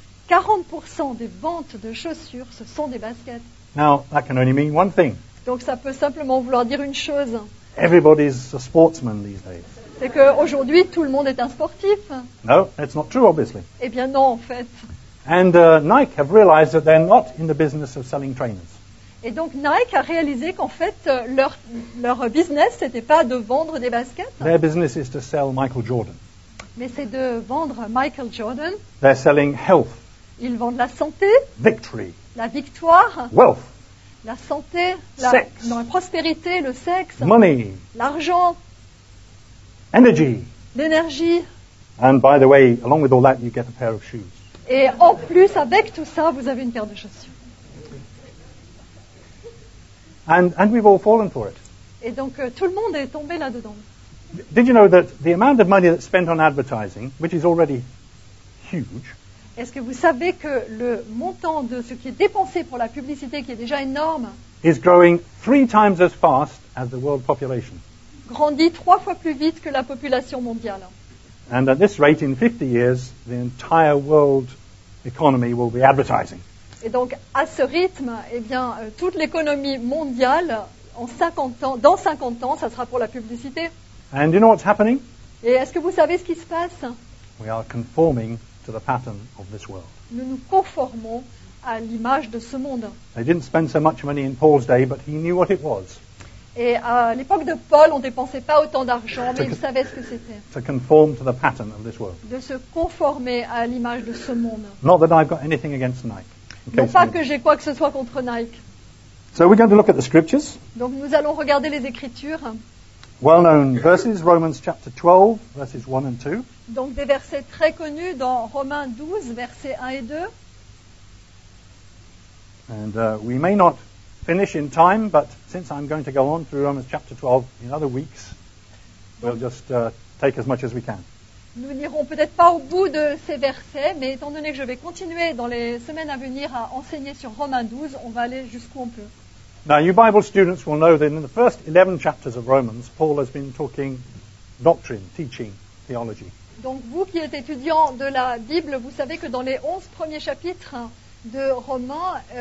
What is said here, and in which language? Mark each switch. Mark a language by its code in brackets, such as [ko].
[fr] 40% des ventes de chaussures, ce sont des baskets. [en] Now, that can only mean one thing. [fr] Donc ça peut simplement vouloir dire une chose. [en] Everybody's a sportsman these days. [fr] C'est que aujourd'hui tout le monde est un sportif. [en] No, that's not true, obviously. [fr] Eh bien non, en fait. [en] And Nike have realized that they're not in the business of selling trainers. [fr] Et donc Nike a réalisé qu'en fait leur business c'était pas de vendre des baskets. [en] Their business is to sell Michael Jordan. [fr] Mais c'est de vendre Michael Jordan. [en] They're selling health. [fr] Ils vendent la santé. [en] Victory. [fr] La victoire. [en] Wealth. [fr] La santé, la prospérité, le sexe, [en] money, [fr] l'argent, [en] energy, [fr] l'énergie. [en] And by the way, along with all that, you get a pair of shoes. [fr] Et en plus, avec tout ça, vous avez une paire de chaussures. [en] And we've all fallen for it. [fr] Et donc, tout le monde est tombé là-dedans. [en] Did you know that the amount of money that's spent on advertising, which is already huge, [fr] est-ce que vous savez que le montant de ce qui est dépensé pour la publicité, qui est déjà énorme, [en] is growing three times as fast as the world population. [fr] Grandit trois fois plus vite que la population mondiale. [en] And at this rate, in 50 years, the entire world economy will be advertising. [fr] Et donc, à ce rythme, eh bien, toute l'économie mondiale, dans 50 ans, ça sera pour la publicité. [en] And you know what's happening? [fr] Et est-ce que vous savez ce qui se passe? [en] We are conforming to the pattern of this world. [fr] Nous nous conformons à l'image de ce monde. [en] They didn't spend so much money in Paul's day, but he knew what it was. [fr] Et à l'époque de Paul, on dépensait pas autant d'argent, mais il savait ce que c'était. [en] To conform to the pattern of this world. [fr] De se conformer à l'image de ce monde. [en] Not that I've got anything against Nike. [fr] Non pas que j'ai quoi que ce soit contre Nike. [en] So we're going to look at the scriptures. [fr] Donc nous allons regarder les écritures. [en] Well-known verses, Romans chapter 12, verses 1 and 2. [fr] Donc des versets très connus dans Romains 12, versets 1 et 2. [en] And we may not finish in time, but since I'm going to go on through Romans chapter 12 in other weeks, we'll just take as much as we can. [fr] Nous n'irons peut-être pas au bout de ces versets, mais étant donné que je vais continuer dans les semaines à venir à enseigner sur Romains 12, on va aller jusqu'où on peut. [en] Now, you Bible students will know that in the first 11 chapters of Romans, Paul has been talking doctrine, teaching, theology. [fr] Donc, vous qui êtes étudiant de la Bible, vous savez que dans les 11 premiers chapitres de Romains,